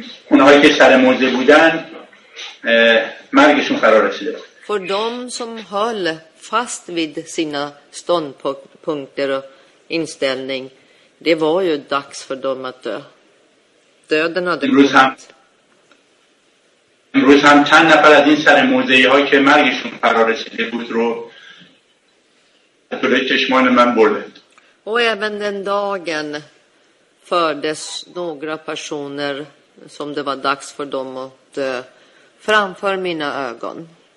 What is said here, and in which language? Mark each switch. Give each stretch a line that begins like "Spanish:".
Persian: اونهایی که سر موزه بودن مرگشون فرا رسیده.
Swedish: For them som höll fast vid sina ståndpunkter och inställning, det var ju dags för dem att dö. Döden hade kommit.
Persian: امروز هم چند نفر از این سر موزه هایی که مرگشون فرا رسیده بود رو به چشمان من برده.
Swedish: Och även den dagen fördes några personer som det var dags för dem att dö framför mina ögon.